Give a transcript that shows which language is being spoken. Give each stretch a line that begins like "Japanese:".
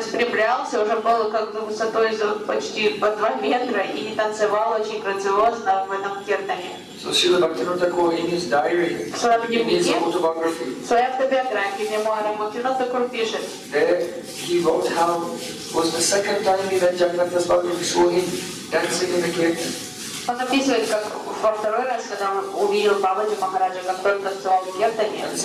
Russian: Распрямлялся, уже был как бы высотой почти по 2 метра и танцевал очень грациозно в этом Киртане.
English: So Srila Bhaktivinoda Kaur, in his diary, in his autobiography, there he wrote how it was the second time he met Jagannatha Das Babaji, saw him dancing in the Kirtan.
Russian: Он описывает, как во второй раз, когда он увидел Бабаджи Махараджа, как он танцевал в Киртане.